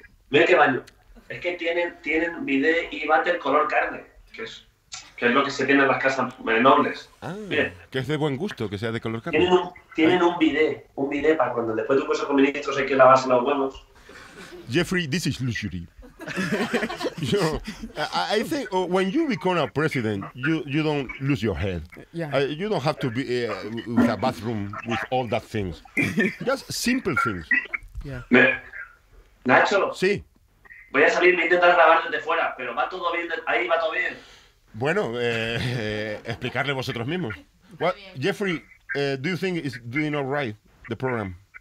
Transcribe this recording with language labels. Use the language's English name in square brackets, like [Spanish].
[Spanish] Mira qué baño. Es que tienen bidet y váter color carne. Que es lo que se tiene en las casas nobles. Que es de buen gusto que sea de color carne. Tienen un bidet para cuando después de un puesto con ministros hay que lavarse los huevos. [English] Jeffrey, this is luxury. You know, I think when you become a president, you don't lose your head. Yeah. You don't have to be with a bathroom with all that things. Just simple things. Yeah. [Spanish] Nacho. Sí. Voy a salir e intentar grabar desde fuera, pero va todo bien. Ahí va todo bien. Bueno, explicarle vosotros mismos. [English] Well, Jeffrey, do you think it's doing all right, the program?